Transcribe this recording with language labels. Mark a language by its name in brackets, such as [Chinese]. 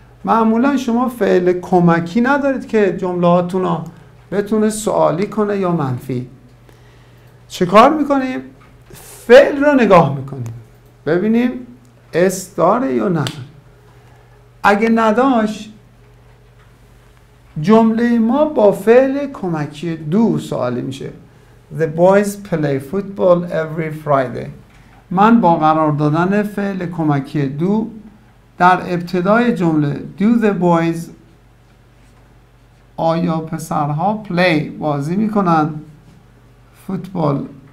[Persian] معمولا شما فعل کمکی ندارید که جمله هاتون رو بتونه سوالی کنه یا منفی. چه کار میکنیم؟ فعل رو نگاه میکنیم ببینیم اس داره یا نه. اگه نداشت جمله ما با فعل کمکی دو سوالی میشه. [English] The boys play football every Friday. [Persian] من با قرار دادن فعل کمکی دو در ابتدای جمله [English] Do the boys [Persian] آیا پسرها play بازی میکنن فوتبال